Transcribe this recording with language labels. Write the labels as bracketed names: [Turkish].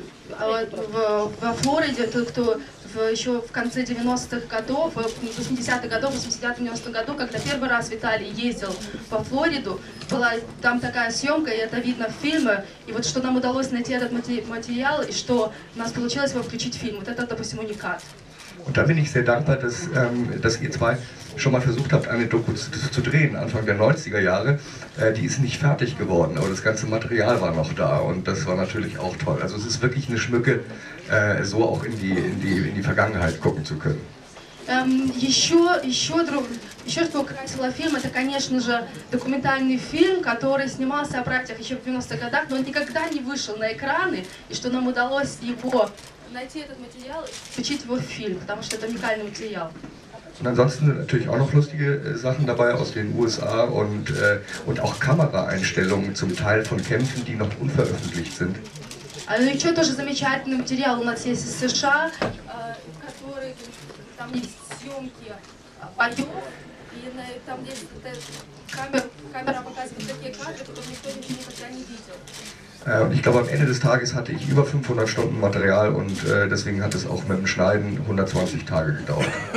[Russian] во Флориде, кто еще в конце 90-х годов, в 80-х годов, 89-90-х годов, когда первый раз Виталий ездил по Флориду, была там такая съемка, и это видно в фильме, и вот что нам удалось найти этот материал, и что у нас получилось его включить в фильм, вот это, допустим, уникат. [German] Und da bin ich sehr dankbar, dass, dass ihr zwei schon mal versucht habt, eine Doku zu drehen, Anfang der 90er Jahre. Die ist nicht fertig geworden, aber das ganze Material war noch da und das war natürlich auch toll. Also es ist wirklich eine Schmücke, so auch in die Vergangenheit gucken zu können. [Russian] Еще, что украсило фильм, это, конечно же, документальный фильм, который снимался о братьях еще в 90-х годах, но он никогда не вышел на экраны, и что нам удалось его найти этот материал и включить его в фильм, потому что это уникальный материал. [German] Und ansonsten sind natürlich auch noch lustige Sachen dabei aus den USA und auch Kameraeinstellungen zum Teil von Kämpfen, die noch unveröffentlicht sind. [Russian] Also, еще тоже замечательный материал у нас есть из США, который там есть съемки боев, и там есть камера показывает такие кадры, которые никто никогда не видел. [German] Und ich glaube, am Ende des Tages hatte ich über 500 Stunden Material und deswegen hat es auch mit dem Schneiden 120 Tage gedauert.